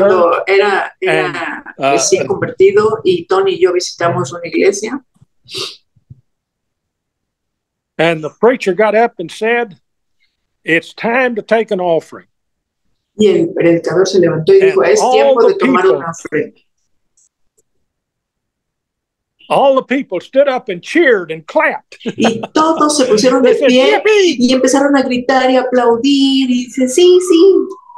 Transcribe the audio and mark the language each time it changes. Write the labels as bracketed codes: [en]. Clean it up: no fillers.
[es] Recién convertido y Tony y yo visitamos una iglesia. [en] And the preacher got up and said, "It's time to take an offering." [es] Y el predicador se levantó y dijo, "Es tiempo de tomar una ofrenda." [en] All the people stood up and cheered and clapped. [es] Y todos se pusieron de pie y empezaron a gritar y aplaudir y dice, "Sí, sí."